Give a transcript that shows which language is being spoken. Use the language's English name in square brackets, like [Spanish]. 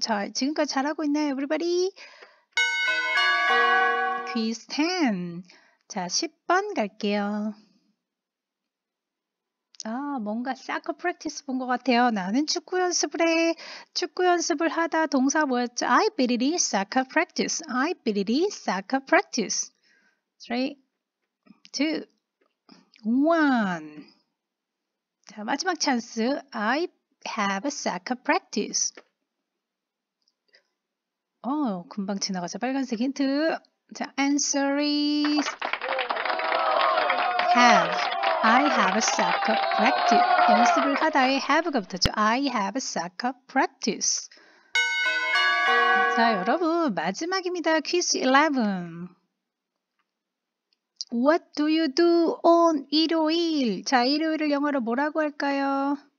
[Korean] 자, 지금까지 잘하고 있나요, [English] everybody? [Korean] Quiz 10. 자, 10번 갈게요. 뭔가 soccer practice 본 것 같아요. 나는 축구 연습을 해. 축구 연습을 하다 동사 뭐였죠? [English] I believe it is soccer practice. I believe it is soccer practice. 3, 2, 1. [Korean] 자, 마지막 찬스. [English] I have a soccer practice. [Korean] 금방 지나가서 빨간색 힌트. 자, [English] answer is have. I have a soccer practice. [Korean] 연습을 하다에 have가 붙었죠. [English] I have a soccer practice. [Korean] 자, 여러분, 마지막입니다. [English] Quiz 11. What do you do on [Korean] 일요일? 자, 일요일을 영어로 뭐라고 할까요?